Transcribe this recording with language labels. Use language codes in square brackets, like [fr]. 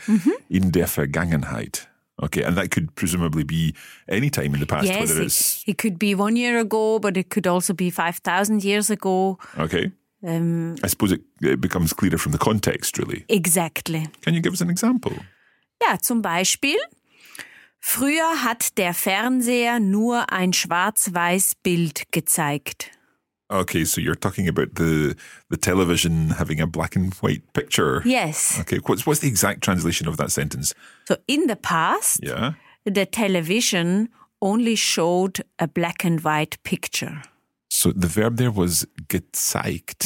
[de] Mm-hmm. In der Vergangenheit. [en] Okay, and that could presumably be any time in the past. Yes, whether it's it could be 1 year ago, but it could also be 5,000 years ago. Okay. I suppose it becomes clearer from the context, really. Exactly. Can you give us an example? Yeah, [de] zum Beispiel. Früher hat der Fernseher nur ein schwarz-weiß Bild gezeigt. [en] Okay, so you're talking about the television having a black and white picture. Yes. Okay, what's the exact translation of that sentence? So in the past, yeah. the television only showed a black and white picture. So the verb there was gezeigt.